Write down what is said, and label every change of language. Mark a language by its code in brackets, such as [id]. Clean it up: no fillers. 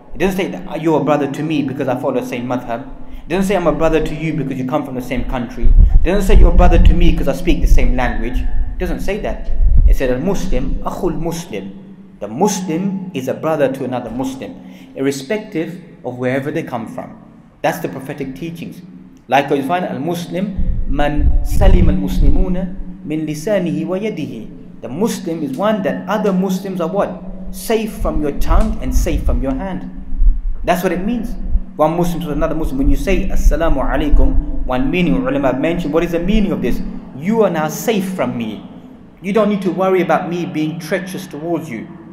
[en] It doesn't say that you're a brother to me because I follow the same madhab. It doesn't say I'm a brother to you because you come from the same country. It doesn't say you're a brother to me because I speak the same language. It doesn't say that. It said, [ar] Al-Muslim, akhul Muslim. [en] The Muslim is a brother to another Muslim, irrespective of wherever they come from. That's the prophetic teachings. Like you find Al-Muslim, [ar] من سلم المسلمون من لسانه ويده. [en] The Muslim is one that other Muslims are what? Safe from your tongue and safe from your hand. That's what it means. One Muslim to another Muslim. When you say Assalamu alaikum, one meaning, ulama mentioned, what is the meaning of this? You are now safe from me. You don't need to worry about me being treacherous towards you.